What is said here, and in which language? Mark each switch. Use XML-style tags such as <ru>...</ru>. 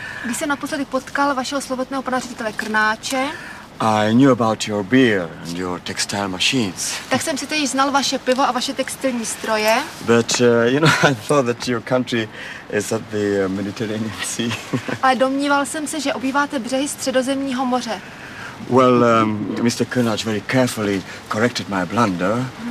<cs>Když jsem naposledy potkal vašeho slovotného pana ředitele Krnáče.</cs> <en>I knew about your beer and your textile machines.</en> <cs>Tak jsem si teď znal vaše pivo a vaše textilní stroje.</cs> <en>But you know, I thought that your country is at the Mediterranean Sea.</en> <cs>Ale domníval jsem se, že obýváte břehy Středozemního moře.</cs> <en>Well, Mr. Krnáč very carefully corrected my blunder.</en>